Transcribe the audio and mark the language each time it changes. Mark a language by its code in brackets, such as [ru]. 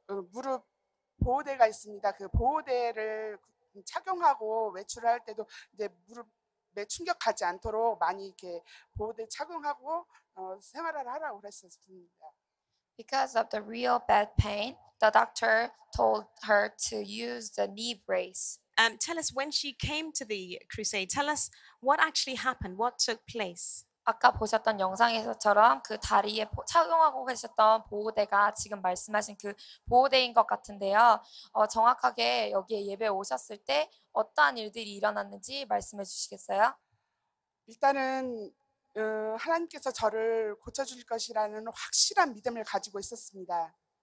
[ko] 무릎 보호대가 있습니다. 그 보호대를 착용하고 외출할 때도 이제 무릎에 충격하지 않도록 많이 이렇게 보호대 착용하고 생활을 하라고 그랬었습니다. [en] Because of the real bad pain, the doctor told her to use the knee brace. Tell us when she came to the crusade. Tell us what actually happened. What took place? [ko] 아까 보셨던 영상에서처럼 그 다리에 착용하고 계셨던 보호대가 지금 말씀하신 그 보호대인 것 같은데요. 정확하게 여기에 예배 오셨을 때 어떠한 일들이 일어났는지 말씀해 주시겠어요? 일단은 하나님께서 저를 고쳐주실 것이라는 확실한 믿음을 가지고 있었습니다.